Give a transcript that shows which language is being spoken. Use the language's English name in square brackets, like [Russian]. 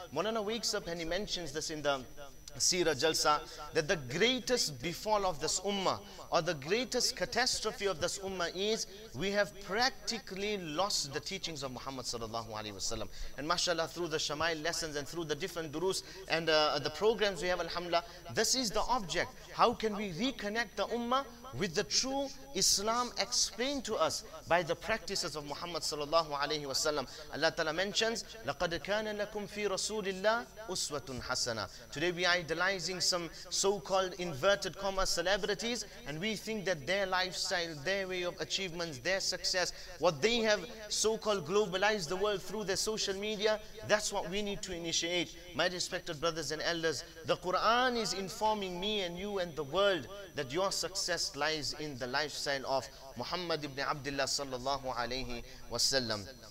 [English] Maulana wakes up and he mentions this in the Seerah Jalsa, that the greatest befall of this ummah, or the greatest catastrophe of this ummah, is we have practically lost the teachings of Muhammad sallallahu alayhi wa sallam. And mashallah, through the Shamail lessons and through the different durus and the programs we have, alhamdulillah, this is the object. How can we reconnect the ummah with the true Islam explained to us by the practices of Muhammad sallallahu alayhi wa sallam? Allah ta'ala mentions, [Arabic] لَقَدْ كَانَ لَكُمْ فِي رَسُولِ اللَّهِ أُسْوَةٌ حَسَنَةٌ. [English] Today we are idolizing some so-called inverted comma celebrities, and we think that their lifestyle, their way of achievements, their success, what they have so-called globalized the world through their social media, that's what we need to initiate. My respected brothers and elders, the Quran is informing me and you and the world that your success lies in the lifestyle of Muhammad ibn Abdullah sallallahu alayhi wasallam.